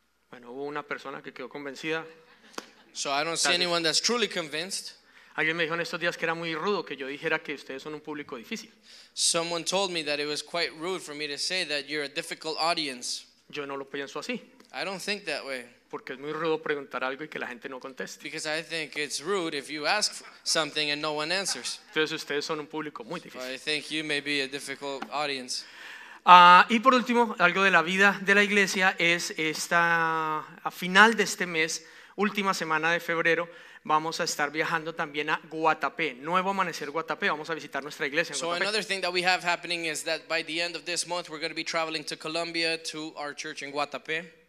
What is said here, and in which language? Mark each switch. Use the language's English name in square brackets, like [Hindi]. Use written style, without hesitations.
[Spanish] Bueno, hubo una persona que quedó convencida. [English] So I don't see anyone that's truly convinced. [Spanish] Alguien me dijo en estos días que era muy rudo que yo dijera que ustedes son un público difícil. [English] Someone told me that it was quite rude for me to say that you're a difficult audience. [Spanish] Yo no lo pienso así. [English] I don't think that way. [Spanish] Porque es muy rudo preguntar algo y que la gente no conteste. [English] Because I think it's rude if you ask something and no one answers. [Spanish] Entonces ustedes son un público muy difícil. [English] So I think you may be a difficult audience. [Spanish] Y por último, algo de la vida de la iglesia es esta a final de este mes. Última semana de febrero vamos a estar viajando también a Guatapé, Nuevo Amanecer Guatapé, vamos a visitar nuestra iglesia en Guatapé. [English] So another thing that we have happening is that by the end of this month we're going to be traveling to Colombia to our church in Guatapé.